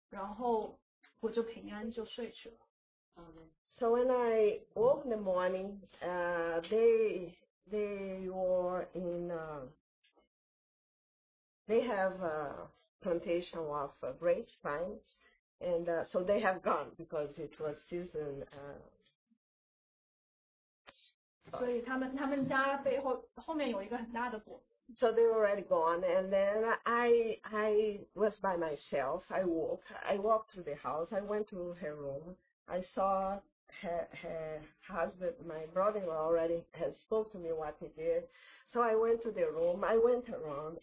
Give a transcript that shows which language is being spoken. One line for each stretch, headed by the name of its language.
Chinese: 进房间以后就一直在默想以前妹妹还在世的事情，然后我就一直睡不着，一直在床上翻来覆去，然后想到这个房妹妹是在这个房子里离世的，想到很多很多事情，我就一直睡不着，然后突然间圣灵就摸着我，圣灵说这不是死人的房子，这是活人的房子，你的妹妹现在还活着，与我一起同在，然后我就平安就睡去了。
English: So when I woke in the morning, they have a plantation of grapevines, and so they have gone because it was season.
Chinese: 所以他们家背后面有一个很大的果。
English: So they were already gone, and then I was by myself. I walked through the house. I went to her room. I saw her husband, my brother-in-law, already has spoke to me what he did. So I went to the room. I went around.